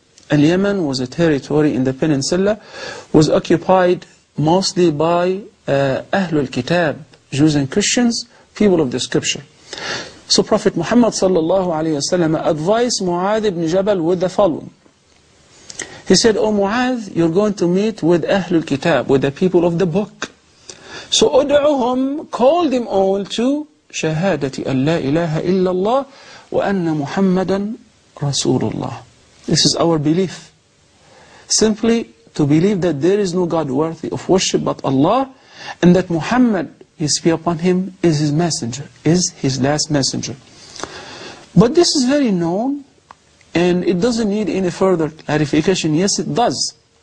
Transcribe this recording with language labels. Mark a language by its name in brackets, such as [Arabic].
[English] And Yemen was a territory in the peninsula, was occupied mostly by Ahlul Kitab, Jews and Christians, people of the scripture. So Prophet Muhammad sallallahu alayhi wasallam advised Mu'adh ibn Jabal with the following. He said, O Mu'adh, you're going to meet with Ahlul Kitab, with the people of the book. [Arabic] So ud'uhum, [English] call them all to [Arabic] شهادتي أن لا إله إلا الله وأن محمدا رسول الله. [English] This is our belief. Simply to believe that there is no God worthy of worship but Allah, and that Muhammad, peace be upon him, is his messenger, is his last messenger. But this is very known, and it doesn't need any further clarification. Yes, it does.